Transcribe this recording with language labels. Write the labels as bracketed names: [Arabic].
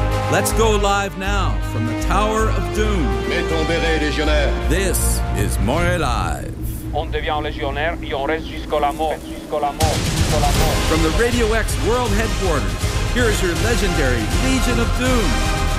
[English] Let's go live now from the Tower of Doom. [French] Mettons béret, légionnaire. [English] This is Moray Live. [French] On devient légionnaire et on reste jusqu'à la mort. [English] From the Radio X World Headquarters, here is your legendary Legion of Doom.